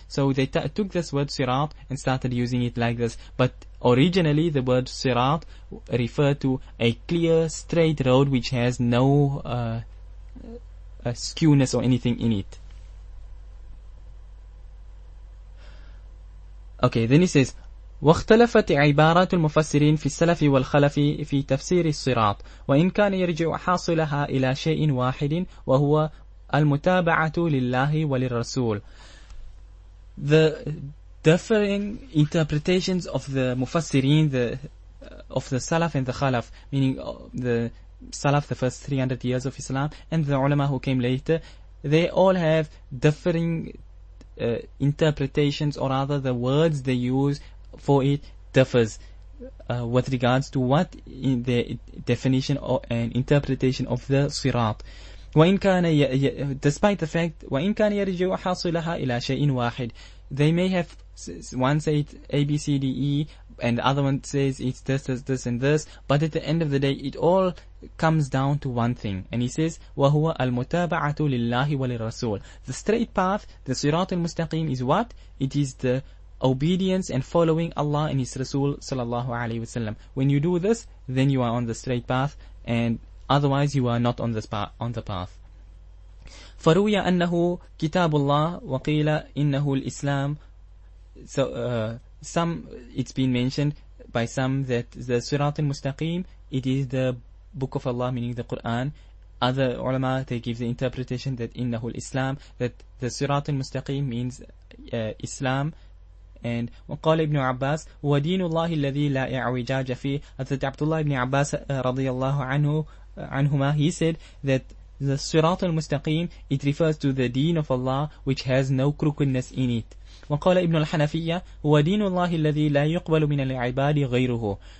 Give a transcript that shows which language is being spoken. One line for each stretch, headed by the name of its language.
English: So they took this word sirat and started using it like this. But originally the word sirat referred to a clear straight road which has no skewness or anything in it. Okay, then he says,
Arabic: واختلفت عبارات المفسرين في السلف والخلف في تفسير الصراط وإن كان يرجع حاصلها إلى شيء واحد وهو المتابعة لله وللرسول.
English: The differing interpretations of the Mufassirin, of the Salaf and the Khalaf, meaning the Salaf, the first 300 years of Islam, and the Ulama who came later, they all have differing interpretations, or rather the words they use for it differs with regards to what in the definition or an interpretation of the Sirat.
Arabic: وَإِنْ كَانَ
English: Despite the fact,
Arabic: وَإِنْ كَانَ يَرِجِعُ حَاصِلَهَا إِلَى شَيْءٍ وَاحِدٍ.
English: They may have, one say it's A, B, C, D, E, and the other one says it's this, this, this, and this, but at the end of the day, it all comes down to one thing. And he says,
Arabic: وَهُوَ الْمُتَابَعَةُ لِلَّهِ وَلِلْرَسُولِ.
English: The straight path, the Sirat al-Mustaqim, is what? It is the obedience and following Allah and His Rasul, sallallahu alayhi wasallam. When you do this, then you are on the straight path, and otherwise you are not on this path, on the path.
Arabic: فروي أنه كتاب الله وقيل إنه الإسلام.
English: So some, it's been mentioned by some that the Sirat al-Mustaqim, it is the book of Allah, meaning the Quran. Other ulama, they give the interpretation that
Arabic: إنه الإسلام,
English: that the Sirat al-Mustaqim means Islam. And
Arabic: وقال ابن عباس ودين الله الذي لا إعوجاج فيه.
English: حضرت عبد الله ابن عباس
Arabic: رضي الله عنه عنهما,
English: he said that the Sirat al-Mustaqim, it refers to the deen of Allah which has no crookedness in it.
Arabic: وقال ابن الحنفية هو دين الله الذي لا يقبل من العباد غيره.